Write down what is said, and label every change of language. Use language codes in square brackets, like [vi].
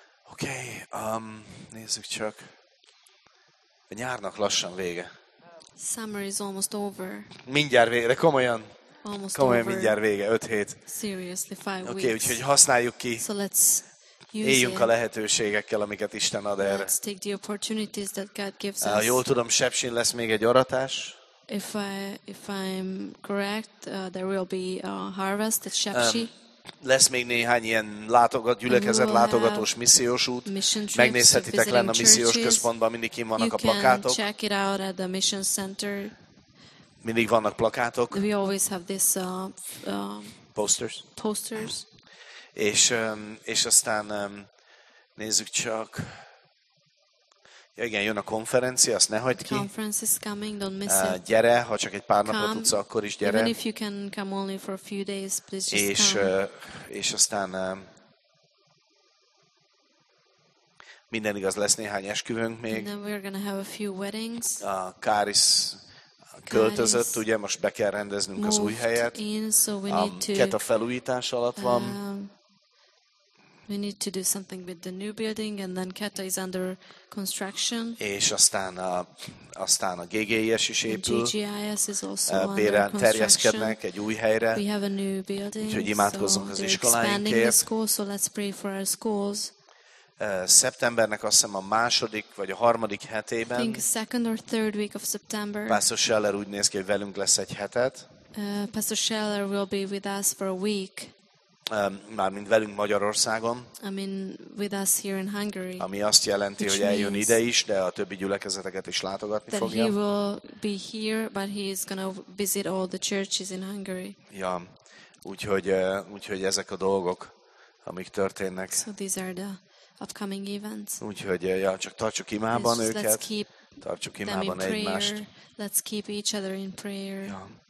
[hu] Okay, nézzük csak. A nyárnak lassan vége. [en] Summer is almost over. [hu] Mindjárt vége, komolyan. [en] Almost [hu] komolyan [en] over. [hu] Mindjárt vége, 5 hét. [en] Seriously, 5 weeks. [hu] Okay, úgyhogy használjuk ki. [en] So let's [hu] éljünk a lehetőségekkel, amiket Isten ad erre. [en] Let's take the opportunities that God gives us. [hu] Jól tudom, Sepsin lesz még egy aratás. [en] If I'm correct, there will be a harvest at Sepsi. [hu] Lesz még néhány ilyen látogat, gyülekezet látogatós missziós út. Megnézhetitek lenne a missziós központban, mindig kint vannak [en] you [hu] a plakátok. [en] You can check it out at the mission center. [hu] Mindig vannak plakátok. [en] We always have this posters. Posters. [hu] És aztán nézzük csak. Ja, igen, jön a konferencia, azt ne hagyd ki. [en] Conference is coming, don't miss it. [hu] Gyere, ha csak egy pár napot tudsz, akkor is gyere. [en] Even if you can come only for a few days, please just come. [hu] És aztán minden igaz, lesz néhány esküvünk még. [en] And then we're gonna have a few weddings. [hu] Káris költözött, ugye, most be kell rendeznünk az új helyet. [en] So [hu] Keta felújítás alatt van. [en] We need to do something with the new building, and then Keta is under construction. [hu] És aztán a GGIS is épül. [en] GGIS is also under construction. [hu] Terjeszkednek egy új helyre. [en] We have a new building. [hu] Úgyhogy imádkozzunk az iskoláinkért. [en] Expanding the school, so let's pray for our schools. [hu] Szeptembernek azt hiszem a második vagy a harmadik hetében. [en] Think second or third week of September. [hu] Pastor Scheller úgy néz ki, hogy velünk lesz egy hetet. [en] Pastor Scheller will be with us for a week. [hu] Mármint velünk Magyarországon. [en] I mean with us here in Hungary. [hu] Ami azt jelenti, hogy eljön ide is, de a többi gyülekezeteket is látogatni [en] that [hu] fogja. [en] He will be here, but he is going to visit all the churches in Hungary. [hu] Ja, úgyhogy ezek a dolgok, amik történnek. [en] So these are the upcoming events. [hu] Úgyhogy ja, csak tartsuk imában őket. [en] Let's keep [hu] tartsuk imában egymást. [en] Let's keep each other in prayer. [hu] Ja.